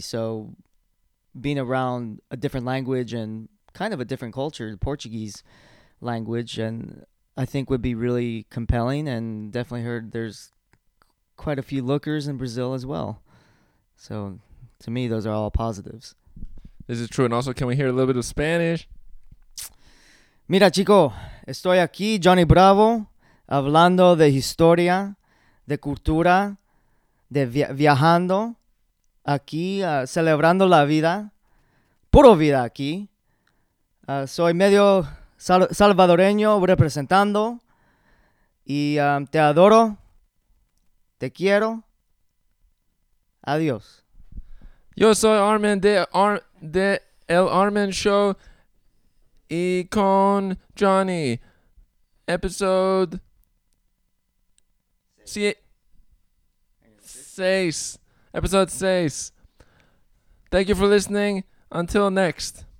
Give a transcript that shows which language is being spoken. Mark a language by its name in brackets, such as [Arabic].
[English] So, being around a different language and kind of a different culture, the Portuguese language, and I think would be really compelling. And definitely heard there's quite a few lookers in Brazil as well. So, to me, those are all positives. This is true. And also, can we hear a little bit of Spanish? [Spanish] Mira, chico, estoy aquí, Johnny Bravo, hablando de historia, de cultura, de viajando, aquí, celebrando la vida, puro vida aquí. Soy medio salvadoreño representando, y te adoro, te quiero, adiós. Yo soy Armen de El Armen Show y con Johnny. [English] Episode 6. Episode 6. Thank you for listening. Until next.